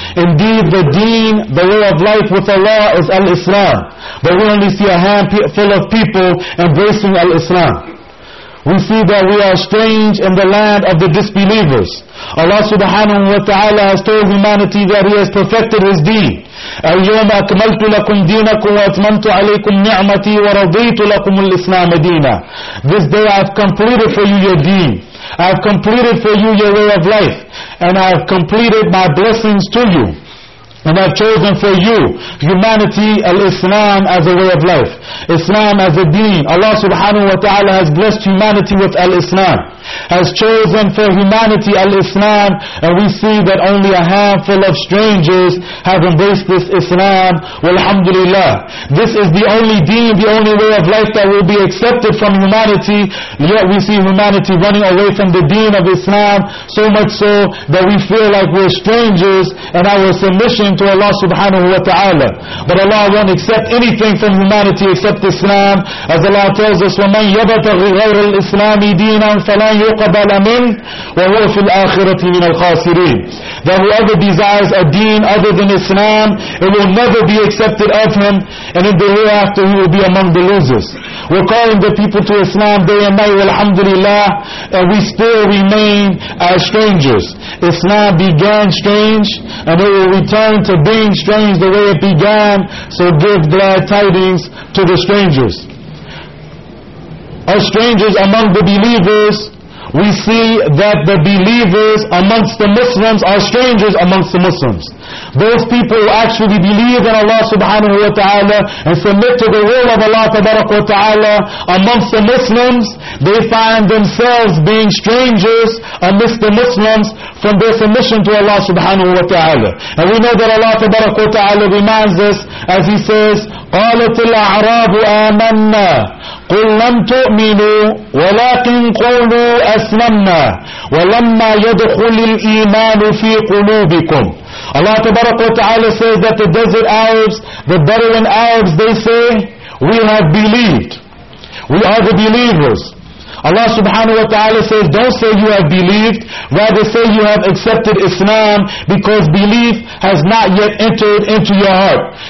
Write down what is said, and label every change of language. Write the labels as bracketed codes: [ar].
[en] Indeed, the deen, the way of life with Allah is al-Islam. But we only see a handful of people embracing al-Islam. We see that we are strange in the land of the disbelievers. Allah subhanahu wa ta'ala has told humanity that He has perfected His deen. [ar] اليوم أكملت لكم دينكم وأتممت عليكم نعمتي ورضيت لكم الإسلام دينا. [en] This day I have completed for you your deen. I have completed for you your way of life. And I have completed my blessings to you. And I've chosen for you humanity al-Islam as a way of life. Islam as a deen. Allah subhanahu wa ta'ala has blessed humanity with al-Islam. Has chosen for humanity al-Islam. And we see that only a handful of strangers have embraced this Islam. Walhamdulillah. This is the only deen, the only way of life that will be accepted from humanity. Yet we see humanity running away from the deen of Islam. So much so that we feel like we're strangers and our submission to Allah subhanahu wa ta'ala. But Allah won't accept anything from humanity except Islam. As Allah tells us, [ar] وَمَنْ يَبَتَغِ غَيْرَ الْإِسْلَامِ دِينًا فَلَنْ يُقَبَلَ مِنْهُ وَهُوَ فِي الْآخِرَةِ مِنَ الْخَاسِرِينَ. [en] That whoever desires a deen other than Islam, it will never be accepted of him, and in the hereafter he will be among the losers. We're calling the people to Islam day and night, alhamdulillah, and we still remain as strangers. Islam began strange, and it will return to being strange the way it began, so give glad tidings to the strangers. As strangers among the believers, we see that the believers amongst the Muslims are strangers amongst the Muslims. Those people who actually believe in Allah subhanahu wa ta'ala and submit to the will of Allah tabarak wa ta'ala amongst the Muslims, they find themselves being strangers amongst the Muslims from their submission to Allah subhanahu wa ta'ala. And we know that Allah tabarak wa ta'ala reminds us as He says, [ar] قَالَتِ الْأَعْرَابُ آمَنَّا قُلْ لَمْ تُؤْمِنُوا وَلَكِنْ قُولُوا أَسْلَمْنَا وَلَمَّا يَدْخُلِ الْإِيمَانُ فِي قُلُوبِكُمْ. [en] Allah tabarak wa ta'ala says that the desert Arabs, the Bedouin Arabs, they say, we have believed. We are the believers. Allah subhanahu wa ta'ala says, don't say you have believed, rather say you have accepted Islam, because belief has not yet entered into your heart.